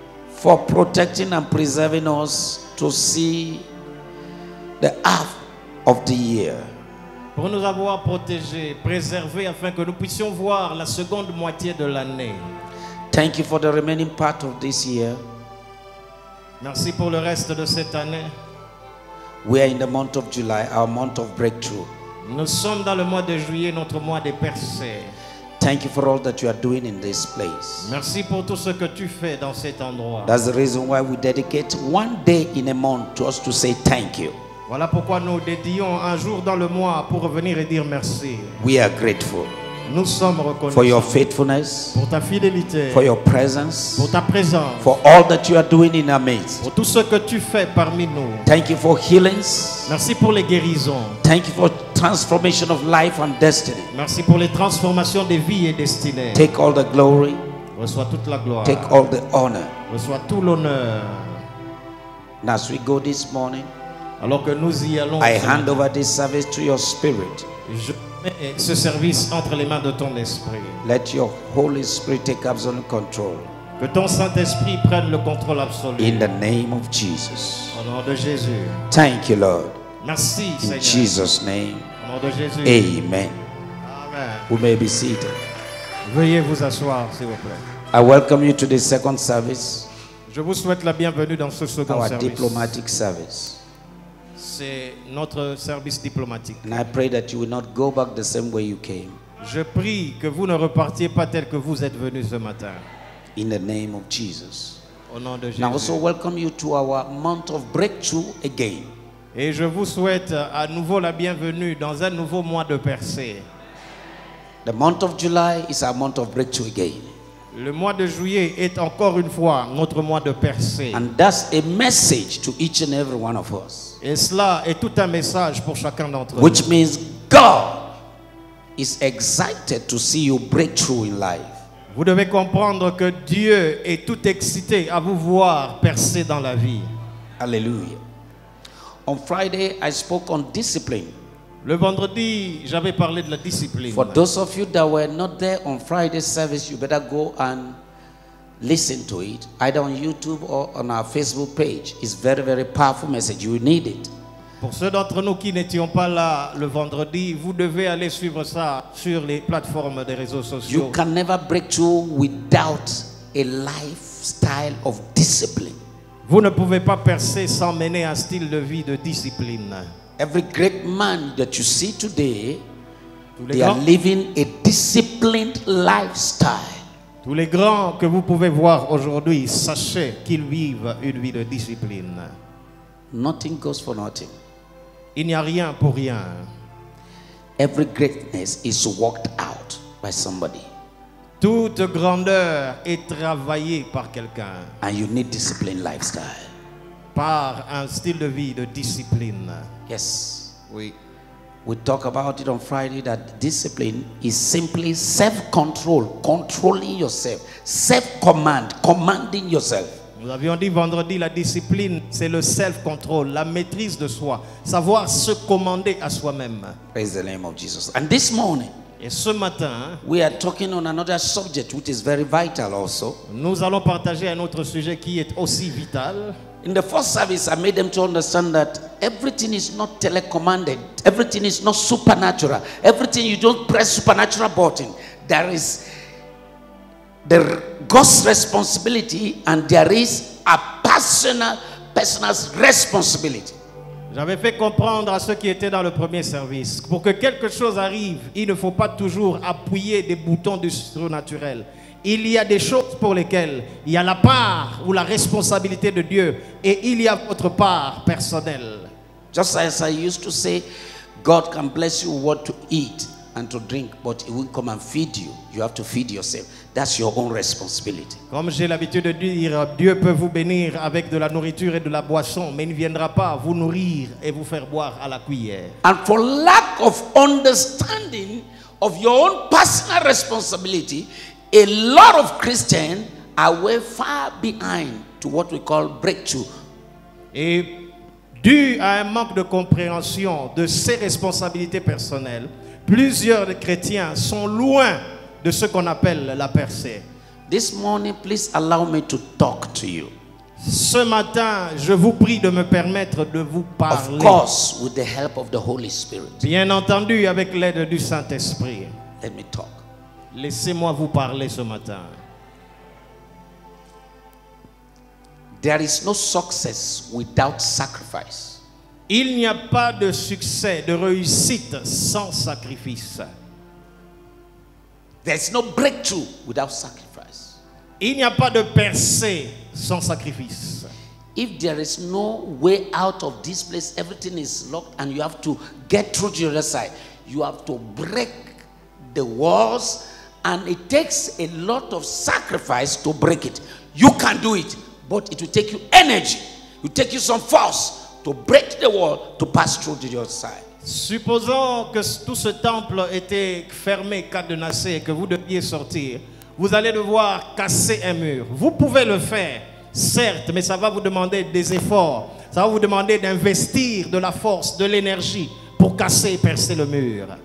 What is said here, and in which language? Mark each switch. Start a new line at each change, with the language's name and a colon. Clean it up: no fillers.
English: For protecting and preserving us to see the half of the year.
French: Pour nous avoir protégés, préservés afin que nous puissions voir la seconde moitié de l'année.
English: Thank you for the remaining part of this year.
French: Merci pour le reste de cette année.
English: We are in the month of July, our month of breakthrough.
French: Nous sommes dans le mois de juillet, notre mois de percée.
English: Thank you for all that you are doing in this place.
French: Merci pour tout ce que tu fais dans cet endroit.
English: That's the reason why we dedicate one day in a month to us to say thank you.
French: Voilà pourquoi nous dédions un jour dans le mois pour revenir et dire merci.
English: We are grateful.
French: Nous sommes reconnaissants.
English: For your faithfulness.
French: Pour ta fidélité.
English: For your presence.
French: Pour ta présence.
English: For all that you are doing in our midst.
French: Pour tout ce que tu fais parmi nous.
English: Thank you for healings.
French: Merci pour les guérisons.
English: Thank you for transformation of life and destiny.
French: Merci pour les transformations de vie et destinée.
English: Take all the glory.
French: Reçois toute la gloire.
English: Take all the honor.
French: Reçois tout l'honneur.
English: And as we go this morning,
French: alors que nous y allons,
English: I hand over this service to your spirit.
French: Je mets ce service entre les mains de ton esprit.
English: Let your Holy Spirit take absolute control.
French: Que ton Saint-Esprit prenne le contrôle absolu.
English: In the name of Jesus.
French: Au nom de Jésus.
English: Thank you, Lord.
French: Merci,
English: in Jesus' name,
French: Jésus.
English: Amen.
French: Amen.
English: You may be seated.
French: Veuillez vous asseoir, s'il vous plaît.
English: I welcome you to the second service.
French: Je vous souhaite la bienvenue dans ce second
English: our
French: service.
English: Diplomatic service.
French: C'est notre service diplomatique.
English: And I pray that you will not go back the same way you came.
French: Je prie que vous ne repartiez pas tel que vous êtes venu ce matin.
English: In the name of Jesus.
French: Au nom de
English: Jésus. And I also welcome you to our month of breakthrough again.
French: Et je vous souhaite à nouveau la bienvenue dans un nouveau mois de percée.
English: The month of July is our month of breakthrough again.
French: Le mois de juillet est encore une fois notre mois de percée.
English: And that's a message to each and every one of us.
French: Et cela est tout un message pour chacun d'entre
English: which
French: nous.
English: Means God is excited to see you break through in life.
French: Vous devez comprendre que Dieu est tout excité à vous voir percer dans la vie.
English: Alléluia. On Friday, I spoke on discipline.
French: Le vendredi, j'avais parlé de la discipline.
English: For those of you that were not there on Friday service, you better go and listen to it, either on YouTube or on our Facebook page. It's very, very powerful message. You need it.
French: Pour ceux d'entre nous qui n'étions pas là le vendredi, vous devez aller suivre ça sur les plateformes des réseaux sociaux.
English: You can never break through without a lifestyle of discipline.
French: Vous ne pouvez pas percer sans mener un style de vie de discipline.
English: Every great man that you see today, they are living a disciplined lifestyle.
French: Tous les grands que vous pouvez voir aujourd'hui, sachez qu'ils vivent une vie de discipline.
English: Nothing goes for nothing.
French: Il n'y a rien pour rien.
English: Every greatness is worked out by somebody.
French: Toute grandeur est travaillée par quelqu'un.
English: And you need discipline lifestyle.
French: Par un style de vie de discipline.
English: Yes.
French: Oui.
English: We talk about it on Friday that discipline is simply self-control, controlling yourself, self-command, commanding yourself.
French: Nous avions dit vendredi, la discipline, c'est le self-control, la maîtrise de soi, savoir se commander à soi-même.
English: Praise the name of Jesus. And this morning,
French: et ce matin,
English: we are talking on another subject which is very vital also.
French: Nous allons partager un autre sujet qui est aussi vital.
English: In the first service, I made them to understand that everything is not telecommanded. Everything is not supernatural. Everything, you don't press supernatural button. There is the God's responsibility and there is a personal responsibility.
French: J'avais fait comprendre à ceux qui étaient dans le premier service, pour que quelque chose arrive, il ne faut pas toujours appuyer des boutons du surnaturel. Il y a des choses pour lesquelles il y a la part ou la responsabilité de Dieu et il y a votre part personnelle.
English: Just as I used to say, God can bless you with what to eat and to drink, but he will come and feed you. You have to feed yourself. That's your own responsibility.
French: Comme j'ai l'habitude de dire, Dieu peut vous bénir avec de la nourriture et de la boisson, mais il ne viendra pas vous nourrir et vous faire boire à la cuillère.
English: And for lack of understanding of your own personal responsibility, a lot of Christians are way far behind to what we call breakthrough.
French: Et dû à un manque de compréhension de ses responsabilités personnelles, plusieurs chrétiens sont loin de ce qu'on appelle la percée.
English: This morning, please allow me to talk to you.
French: Ce matin, je vous prie de me permettre de vous parler.
English: Of course, with the help of the Holy Spirit.
French: Bien entendu, avec l'aide du Saint-Esprit.
English: Let me talk.
French: Laissez-moi vous parler ce matin.
English: There is no success without sacrifice.
French: Il n'y a pas de succès, de réussite sans sacrifice.
English: There's no breakthrough without sacrifice.
French: Il n'y a pas de percée sans sacrifice.
English: If there is no way out of this place, everything is locked and you have to get through to the other side. You have to break the walls. And it takes a lot of sacrifice to break it. You can do it, but it will take you energy. It will take you some force to break the wall to pass through to the other side.
French: Supposons que tout ce temple était fermé, cadenassé, et que vous deviez sortir. Vous allez devoir casser un mur. Vous pouvez le faire, certes, mais ça va vous demander des efforts. Ça va vous demander d'investir de la force, de l'énergie pour casser et percer le mur.